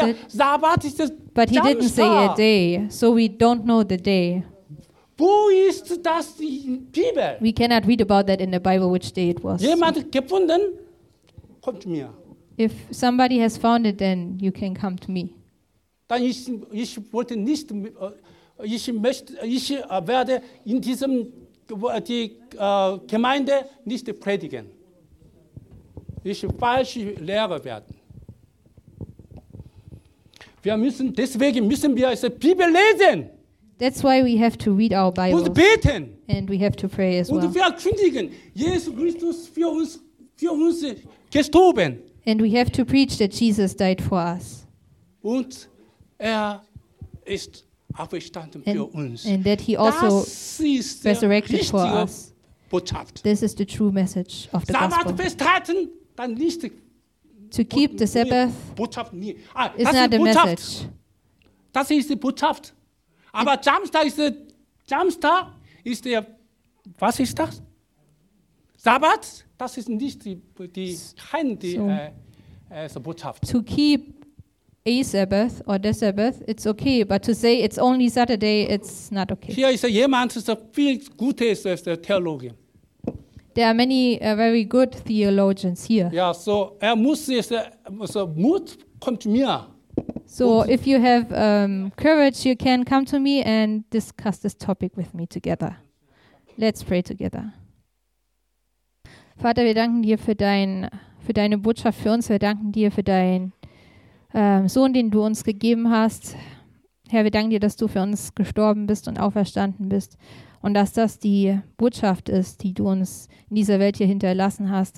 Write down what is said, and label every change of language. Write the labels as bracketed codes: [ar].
[de] das ist der Sabbat, ist der [en] but Samstag. He didn't say a day, so we don't know the day. [de] Wo ist das in der Bibel? [en] We cannot read about that in the Bible, which day it was. [de] Jemand gefunden? Kommt zu mir. [en] If somebody has found it, then you can come to me. [de] Dann ich wollte nicht, ich möchte, ich werde in diesem Gemeinde nicht predigen. Ich falsche Lehrer werden. Wir müssen deswegen müssen wir die Bibel lesen. [en] That's why we have to read our Bibles. [de] Und beten. [en] And we have to pray as [de] und [en] well. [de] Und verkündigen Jesus Christus für uns gestorben. [en] And we have to preach that Jesus died for us. [de] Und er ist auferstanden [en] and, [de] für uns. [en] And that he also resurrected for us. [de] Botschaft. [en] This is the true message of the [de] Sabbat [en] gospel. [de] Festhalten, dann nicht [en] to keep the Sabbath [de] Botschaft nie. [en] Ah, is not [de] Botschaft. [en] A message. [de] Das ist die Botschaft. Aber Samstag ist der Samstag ist der was ist das? Sabbat? Das ist nicht die Botschaft. [en] To keep a Sabbath or the Sabbath, it's okay, but to say it's only Saturday, it's not okay. [de] Hier ist jemand, das ist viel Gutes als der Theologe. [en] There are many very good theologians here. [de] Ja, so er muss jetzt so Mut kommt mir. [en] So if you have courage, you can come to me and discuss this topic with me together. Let's pray together. [de] Vater, wir danken dir für deine Botschaft für uns. Wir danken dir für deinen Sohn, den du uns gegeben hast. Herr, wir danken dir, dass du für uns gestorben bist und auferstanden bist. Und dass das die Botschaft ist, die du uns in dieser Welt hier hinterlassen hast.